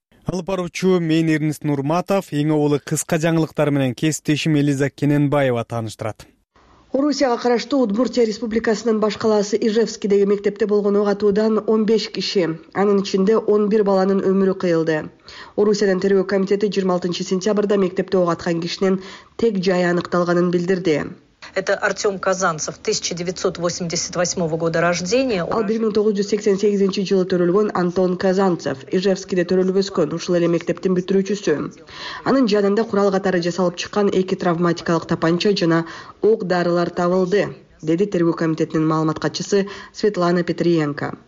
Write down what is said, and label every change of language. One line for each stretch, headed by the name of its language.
Kyrgyz: Алып баруучу мен Эрнис Нурматов, эң оолу кыска жаңылыктар менен кесиптешим Элиза Кененбаева тааныштырат. Орусияга караштуу Удмуртия Республикасынын баш калаасы Ижевскидеги мектепте болгон ок атуудан 15 киши, анын ичинде 11 баланын өмүрү кыйылды. Орусиянын тергөө комитети 26 сентябрда мектепте ок аткан кишинин тек жайы аныкталганын билдирди.
Russian: Это Артём Казанцев, 1988 года рождения.
Kyrgyz: Ал 1988 жылы төрөлгөн Антон Казанцев, Ижевскиде төрөлүп өскөн, ушул эле мектептин бүтүрүүчүсү. Анын жанында курал катары жасалып чыккан эки травматикалык тапанча жана ок дарылар табылды, деди тергөө комитетинин маалымат катчысы Светлана Петриенко.